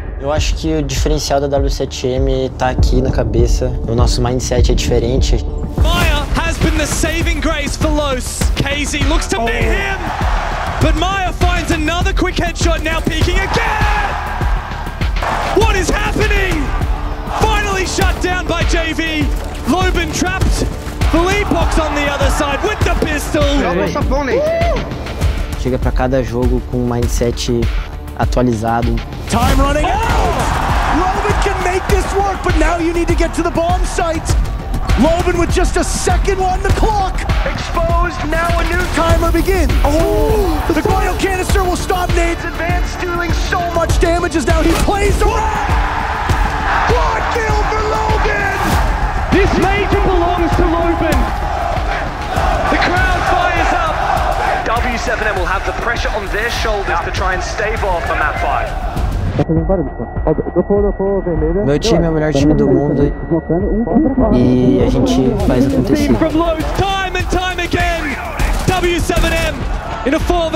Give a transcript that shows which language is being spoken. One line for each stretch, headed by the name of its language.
Portuguese: Eu acho que o diferencial da W7M tá aqui na cabeça. O nosso mindset é diferente.
English: Maya has been the saving grace for Los. KZ looks to meet him. But Maya finds another quick headshot, now peeking again. What is happening? Finally shut down by JV. Loban trapped. Leapox on the other side with the pistol.
Portuguese: Chega pra cada jogo com um mindset atualizado.
English: Time running out! Loban can make this work, but now you need to get to the bomb site. Loban with just a second on the clock. Exposed, now a new timer begins. The coil canister will stop Nade's advance, dealing so much damage as now he plays around. Quad kill for Loban! This Major belongs to Loban. The crowd fires up. W7M will have the pressure on their shoulders to try and stave off a map 5.
Portuguese: Meu time é o melhor time do mundo e a gente faz acontecer.
English: Time and time again, W7M in a 4-2.